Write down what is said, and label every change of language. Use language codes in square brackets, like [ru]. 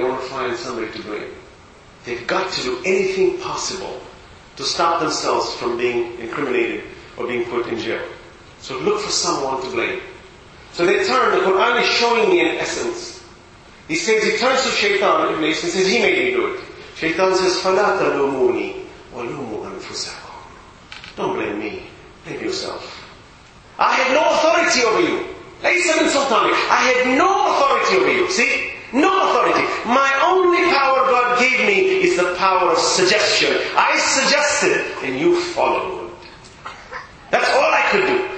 [en] They want to find somebody to blame. They've got to do anything possible to stop themselves from being incriminated or being put in jail. So look for someone to blame. So they turn, the Quran is showing me an essence. He says, he turns to Shaitan, Iblis, and says, he made me do it. Shaitan says, [ar] فَلَا تَلُومُونِي وَلُومُوا أَنفُسَكُمْ. [en] Don't blame me, blame yourself. I have no authority over you. [ar] لَيْسَ مِنْ سُلْطَانِي. [en] I have no authority over you. See? No authority. My only power God gave me is the power of suggestion. I suggested, and you followed. That's all I could do.